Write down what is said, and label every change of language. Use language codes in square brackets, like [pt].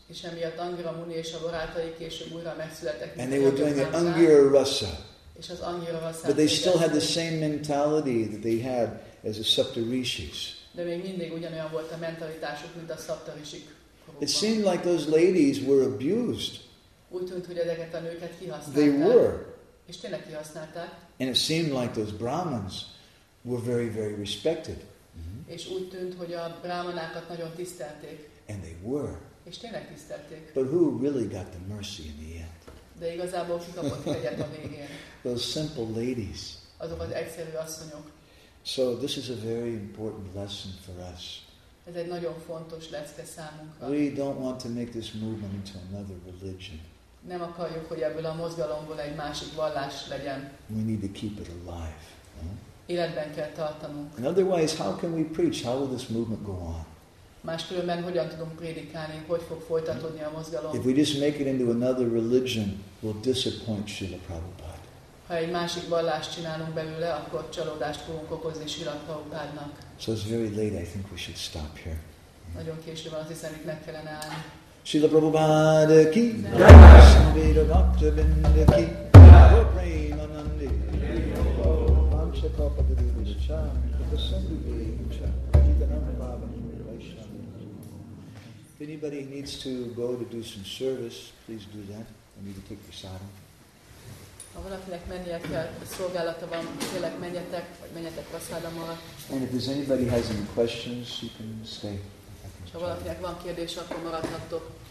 [hu] És emiatt Angira Muni és a barátai később újra megszülettek. [en] And they were doing the Angira Rasa. [hu] És az Angira Rasa. [en] But they still had the same mentality that they had as the Saptarishis. [hu] De még mindig ugyanolyan volt a mentalitásuk, mint a Saptarishik. [en] It seemed like those ladies were abused. [hu] Úgy tűnt, hogy ezeket a nőket kihasználták. [en] They were. [hu] És tényleg kihasználták. [en] And it seemed like those Brahmins were very, very respected. [hu] És úgy tűnt, hogy a brahmanákat nagyon tisztelték. [en] And they were. [hu] És tényleg tisztelték. [en] But who really got the mercy in the end? [hu] De igazából ki kapott hegyet a végén? [en] Those simple ladies. [hu] Azok az egyszerű asszonyok. [en] So this is a very important lesson for us. [hu] Ez egy nagyon fontos lecke számunkra. [en] We don't want to make this movement into another religion. [hu] Nem akarjuk, hogy ebből a mozgalomból egy másik vallás legyen. [en] We need to keep it alive. [hu] Életben kell tartanunk. [en] And otherwise, how can we preach? How will this movement go on? [hu] Máskülönben hogyan tudunk prédikálni? Hogy fog folytatódni a mozgalom? [en] If we just make it into another religion, we'll disappoint Srila Prabhupada. [hu] Ha egy másik vallást csinálunk belőle, akkor csalódást fogunk okozni Srila Prabhupádnak. [en] So it's very late. I think we should stop here. [hu] Nagyon késő van, azt hiszem, itt meg kellene állni. [sa] Srila Prabhupada ki, Vaishnavita Bhakta Vrinda ki, Go Prema Nandi, Pancha Kapa Devi Vishcha, Prasanna Devi Vishcha, Jitanam Bhava Vaishnava. [en] If anybody needs to go to do some service, please do that. I need to take prasadam. [hu] Ha valakinek mennie kell, szolgálata van, kérlek menjetek, vagy menjetek prasadam alatt. [en] And if there's anybody has any questions, you can stay. [hu] Ha valakinek van kérdés, akkor maradhattok.